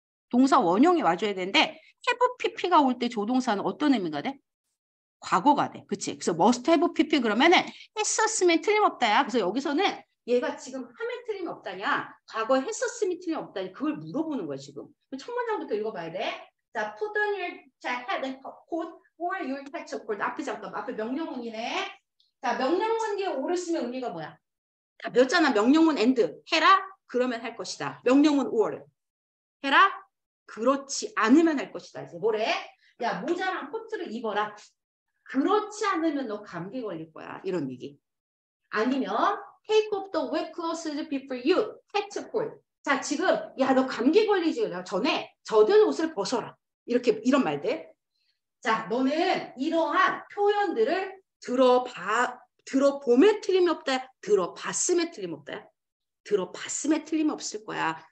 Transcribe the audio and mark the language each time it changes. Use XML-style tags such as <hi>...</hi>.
<ko>동사 원형이 와줘야 되는데 have pp가 올때 조동사는 어떤 의미가 돼? 과거가 돼 그치 그래서 must have pp 그러면은 했었으면 틀림없다야 그래서 여기서는 얘가 지금 하면 틀림이 없다냐? 과거에 했었음이 틀림이 없다냐? 그걸 물어보는 거야, 지금. 첫 문장부터 읽어봐야 돼.</ko> <en>자, put on your jacket and coat or your hat or coat.</en> <ko>앞에 잠깐, 앞에 명령문이네. 자, 명령문 뒤에 or 쓰면 의미가 뭐야? 다 배웠잖아. 명령문 end. 해라? 그러면 할 것이다. 명령문 or. 해라? 그렇지 않으면 할 것이다. 이제 뭐래? 야, 모자랑 코트를 입어라. 그렇지 않으면 너 감기 걸릴 거야. 이런 얘기.</ko> <en>아니면, Take off the wet clothes before you catch cold.</en> <ko>자, 지금 야, 너 감기 걸리지 전에 젖은 옷을 벗어라. 이렇게 이런 말 돼. 자, 너는 이러한 표현들을 들어보면 틀림없다. 들어봤음에 틀림없다. 들어봤음에 틀림없을 거야.</ko>